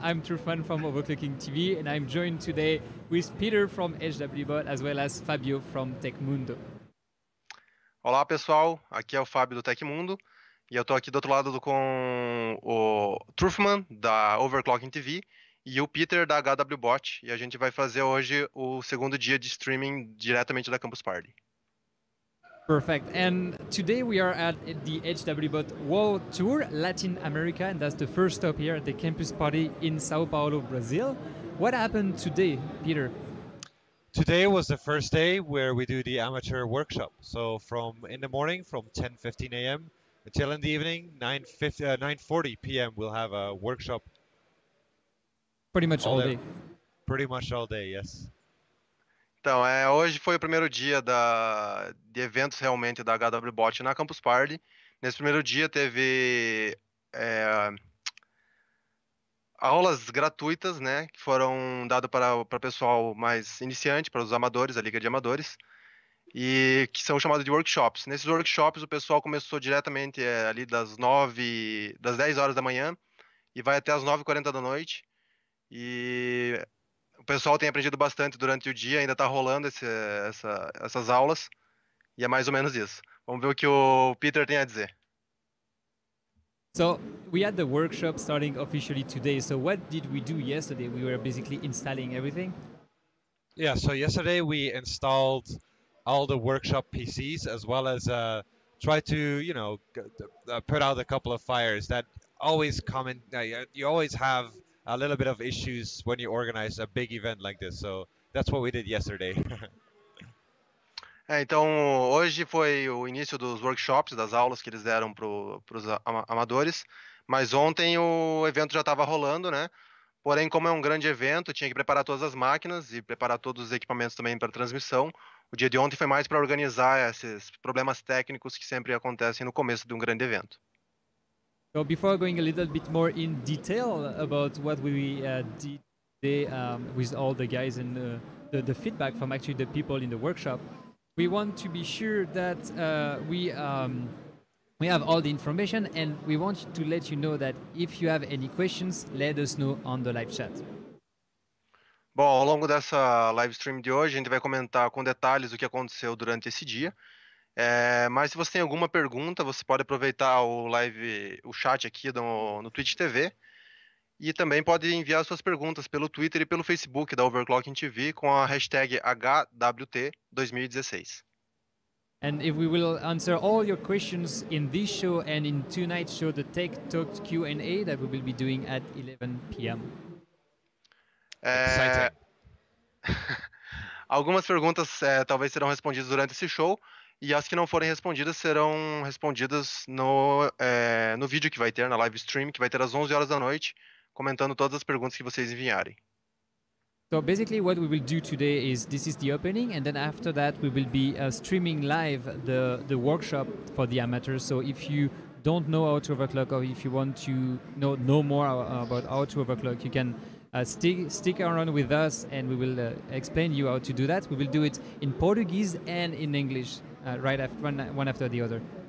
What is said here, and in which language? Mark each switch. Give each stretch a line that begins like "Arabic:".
English: I'm Trufan from OverClocking-TV and I'm joined today with Peter from HWBOT as well as Fabio from Tecmundo.
Portuguese: Olá pessoal, aqui é o Fabio do Tecmundo e eu tô aqui do outro lado com o Trufman da OverClocking-TV e o Peter da HWBOT e a gente vai fazer hoje o segundo dia de streaming diretamente da Campus Party.
English: Perfect. And today we are at the HWBOT World Tour Latin America, and that's the first stop here at the Campus Party in Sao Paulo, Brazil. What happened today, Peter? Today was the first day where we do the amateur workshop. So from in the morning, from 10:15 a.m. until in the evening, 9:40 p.m., we'll have a workshop. Pretty much all day. Pretty much all day, yes.
Portuguese: Então, hoje foi o primeiro dia de eventos realmente da HWBOT na Campus Party. Nesse primeiro dia teve aulas gratuitas, né, que foram dadas para pessoal mais iniciante, para os amadores, a Liga de Amadores, e que são chamados de workshops. Nesses workshops o pessoal começou diretamente ali das 10 horas da manhã e vai até as 9:40 da noite. E o pessoal tem aprendido bastante durante o dia, ainda está rolando essas aulas, e é mais ou menos isso. Vamos ver o que o Peter tem a dizer.
English: So, we had the workshop starting officially today. So, what did we do yesterday? We were basically installing everything? Yeah, so yesterday we installed all the workshop PCs, as well as try to, you know, put out a couple of fires that always come in. You always have a little bit of issues when you organize a big event like this. So that's what we did yesterday.
Portuguese: Então, hoje foi o início dos workshops, das aulas que eles deram para os amadores. Mas ontem o evento já estava rolando, né? Porém, como é um grande evento, tinha que preparar todas as máquinas e preparar todos os equipamentos também para transmissão. O dia de ontem foi mais para organizar esses problemas técnicos que sempre acontecem no começo de um grande evento.
English: So before going a little bit more in detail about what we did today with all the guys and the feedback from actually the people in the workshop, we want to be sure that we have all the information, and we want to let you know that if you have any questions, let us know on the live chat.
Portuguese: Bom, ao longo dessa live stream de hoje, a gente vai comentar com detalhes o que aconteceu durante esse dia. Mas se você tem alguma pergunta, você pode aproveitar o chat aqui no Twitch TV. E também pode enviar suas perguntas pelo Twitter e pelo Facebook da Overclocking TV com a hashtag HWT2016.
English: And if we will answer all your questions in this show and in tonight's show, the Tech Talk Q&A that we will be doing at 11 p.m.
Portuguese: Algumas perguntas talvez serão respondidas durante esse show, e as que não forem respondidas serão respondidas no vídeo que vai ter, na live stream, que vai ter às 11 horas da noite, comentando todas as perguntas que vocês enviarem.
English: So basically what we will do today is this is the opening, and then after that we will be streaming live the workshop for the amateurs. So if you don't know how to overclock, or if you want to know more about how to overclock, you can stick around with us and we will explain you how to do that. We will do it in Portuguese and in English, right after one after the other.